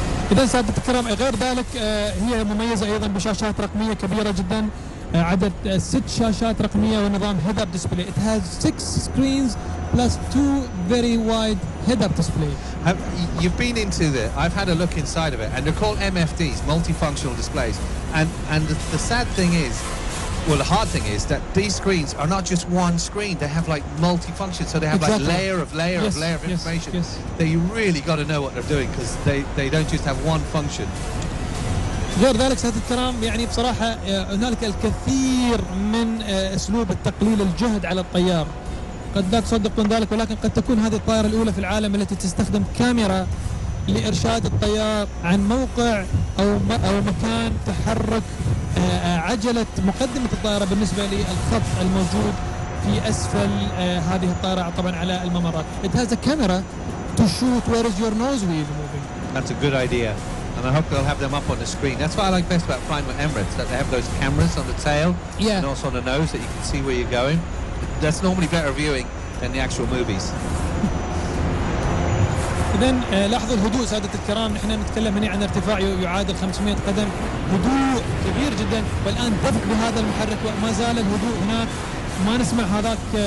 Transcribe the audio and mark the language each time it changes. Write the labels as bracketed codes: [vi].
[ar] إذا سعادة الكرام غير ذلك هي مميزة أيضا بشاشات رقمية كبيرة جدا عدد 6 شاشات رقمية ونظام head up display [en] it has 6 screens plus 2 very wide head up display you've been into it I've had a look inside of it and they're called MFDs multifunctional displays and the sad thing is well the hard thing is that these screens are not just one screen they have like multifunction so they have exactly. like layer of information yes. that you really got to know what they're doing because they don't just have one function [ar] غير ذلك سيادة الكرام يعني بصراحة هنالك الكثير من أسلوب التقليل الجهد على الطيار قد لا تصدقون ذلك ولكن قد تكون هذه الطائرة الأولى في العالم التي تستخدم كاميرا لإرشاد الطيار عن موقع أو مكان تحرك عجلة مقدمة الطائرة بالنسبة للخط الموجود في أسفل هذه الطائرة طبعا على الممرات [en] It has a camera to shoot where is your nose wheel moving That's a good idea And I hope they'll have them up on the screen. That's what I like best about flying with Emirates, that they have those cameras on the tail yeah. and also on the nose that you can see where you're going. That's normally better viewing than the actual movies. [ar] إذن لاحظوا الهدوء سادة الكرام نحن نتكلم هنا عن ارتفاع يعادل 500 قدم هدوء كبير جدا والآن دفق بهذا المحرك وما زال الهدوء هناك ما نسمع هذاك